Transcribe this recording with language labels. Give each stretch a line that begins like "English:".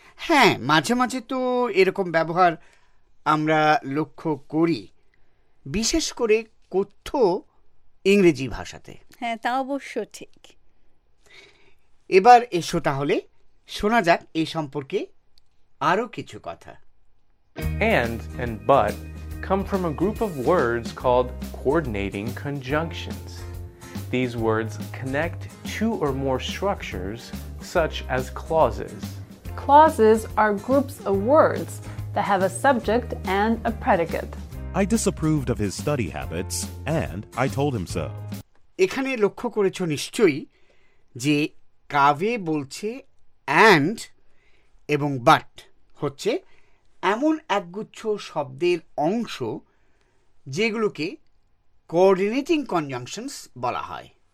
Bangla: হ্যাঁ, মাঝে মাঝে তো এরকম ব্যবহার আমরা লক্ষ্য করি, বিশেষ করে কথ্য ইংরেজি ভাষাতে। হ্যাঁ, তা অবশ্য ঠিক। এবার এসো তাহলে শোনা যাক এই সম্পর্কে আরো কিছু কথা।
English: And but come from a group of words called coordinating conjunctions. These words connect two or more structures, such as clauses. Clauses are groups of words that have a subject and a predicate. I disapproved of his study habits, and I told him so.
Bangla: এখানে লক্ষ্য করেছো নিশ্চয়ই যে কাভে বলছে and এবং but হচ্ছে এমন একগুচ্ছ শব্দের অংশ যেগুলোকে কোঅর্ডিনেটিং কনজাংশনস বলা হয়।